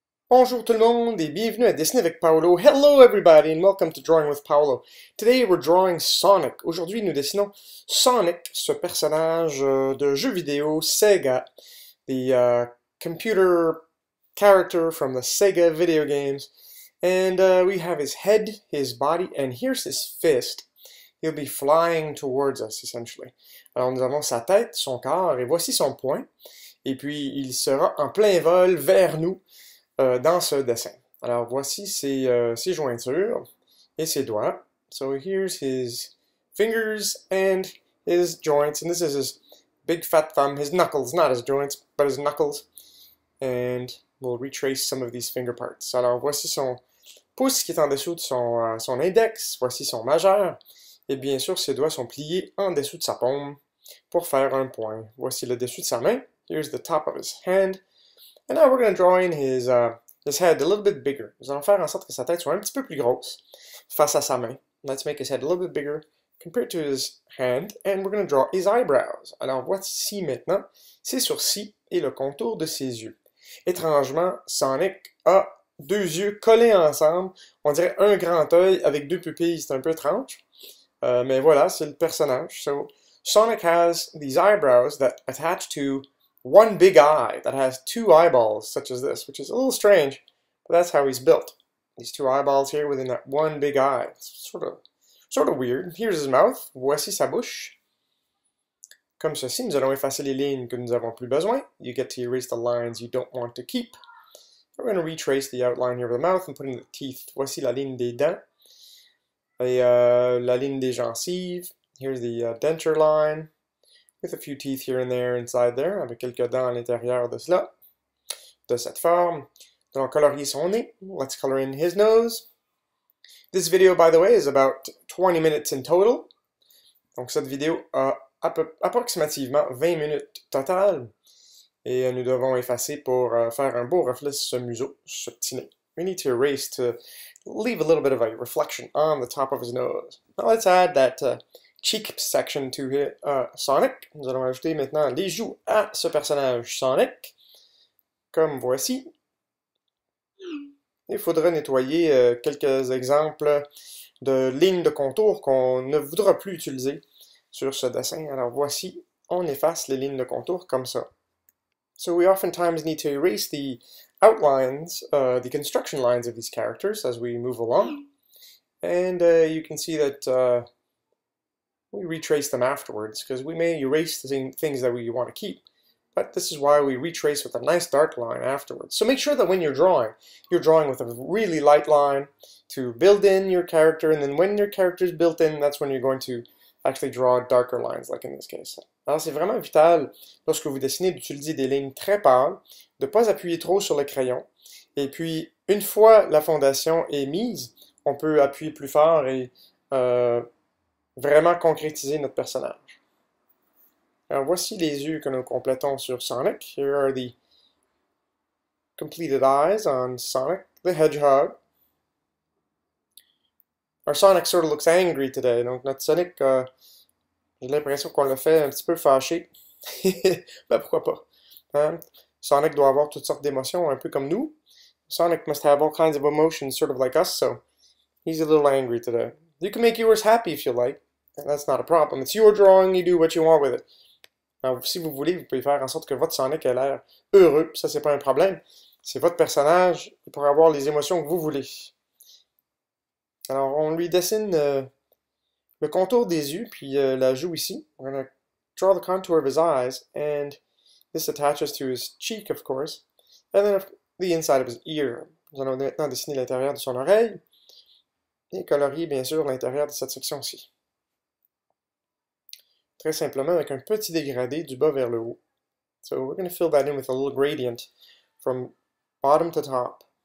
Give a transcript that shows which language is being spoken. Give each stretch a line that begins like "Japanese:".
French: Bonjour tout le monde et bienvenue à Dessiner avec Paolo.
English: Hello everybody and welcome to Drawing with Paolo. Today we're drawing Sonic.
French: Aujourd'hui nous dessinons Sonic, ce personnage de jeu vidéo Sega.
English: The computer character from the Sega video games. And we have his head, his body, and here's his fist. He'll be flying towards us essentially.
French: Alors nous avons sa tête, son corps et voici son poing. Et puis il sera en plein vol vers nous. Dans ce dessin. Alors voici ses jointures et ses doigts.
English: So here's his fingers and his joints. And this is his big fat thumb, his knuckles, not his joints, but his knuckles. And we'll retrace some of these finger parts.
French: Alors voici son pouce qui est en dessous de son index. Voici son majeur. Et bien sûr, ses doigts sont pliés en dessous de sa paume pour faire un point. Voici le dessus de sa main.
English: Here's the top of his hand. And now we're going to draw in his head a little bit bigger.
French: Nous allons faire en sorte que sa tête soit un petit peu plus grosse face à sa main.
English: Let's make his head a little bit bigger compared to his hand. And we're going to draw his eyebrows.
French: Alors voici maintenant ses sourcils et le contour de ses yeux. Étrangement, Sonic a deux yeux collés ensemble. On dirait un grand œil avec deux pupilles. C'est un peu étrange. Mais voilà, c'est le personnage.
English: So, Sonic has these eyebrows that attach to one big eye that has two eyeballs, such as this, which is a little strange, but that's how he's built. These two eyeballs here within that one big eye. It's sort of weird. Here's his mouth.
French: Voici sa bouche. Comme ceci, nous allons effacer les lignes que nous n'avons plus besoin.
English: You get to erase the lines you don't want to keep. We're going to retrace the outline here of the mouth and put in the teeth.
French: Voici la ligne des dents. Et la ligne des gencives.
English: Here's the denture line. With a few teeth here and there inside there,
French: avec quelques dents à l'intérieur de cela, de cette forme. Donc, colorier son nez.
English: Let's color in his nose. This video, by the way, is about 20 minutes in total.
French: Donc, cette vidéo a approximativement 20 minutes total. Et nous devons effacer pour faire un beau reflet sur ce museau, ce petit nez.
English: We need to erase to leave a little bit of a reflection on the top of his nose. Now, let's add that cheek section to hit Sonic.
French: Nous allons ajouter maintenant les joues à ce personnage Sonic. Comme voici. Il faudra nettoyer quelques exemples de lignes de contour qu'on ne voudra plus utiliser sur ce dessin. Alors voici, on efface les lignes de contour comme ça.
English: So we oftentimes need to erase the outlines, the construction lines of these characters as we move along. And you can see that we retrace them afterwards, because we may erase the things that we want to keep. But this is why we retrace with a nice dark line afterwards. So make sure that when you're drawing with a really light line to build in your character, and then when your character is built in, that's when you're going to actually draw darker lines, like in this case.
French: Alors c'est vraiment vital, lorsque vous dessinez, d'utiliser des lignes très pâles, de ne pas appuyer trop sur le crayon. Et puis, une fois la fondation est mise, on peut appuyer plus fort et vraiment concrétiser notre personnage. Alors voici les yeux que nous complétons sur Sonic.
English: Here are the completed eyes on Sonic the Hedgehog. Our Sonic sort of looks angry today.
French: Donc notre Sonic, j'ai l'impression qu'on le fait un petit peu fâché. Ben pourquoi pas. Hein? Sonic doit avoir toutes sortes d'émotions, un peu comme nous.
English: Sonic must have all kinds of emotions, sort of like us, so he's a little angry today. You can make yours happy if you like. That's not a problem. It's your drawing, you do what you want with it.
French: Alors, si vous voulez, vous pouvez faire en sorte que votre Sonic ait l'air heureux. Ça, c'est pas un problème. C'est votre personnage pour avoir les émotions que vous voulez. Alors, on lui dessine le contour des yeux, puis la joue ici.
English: We're going to draw the contour of his eyes, and this attaches to his cheek, of course, and then the inside of his ear.
French: Nous allons maintenant dessiner l'intérieur de son oreille, et colorier, bien sûr, l'intérieur de cette section-ci. Très simplement avec un petit dégradé du bas vers le haut.
English: So we're going to fill that in with a little gradient from bottom to top.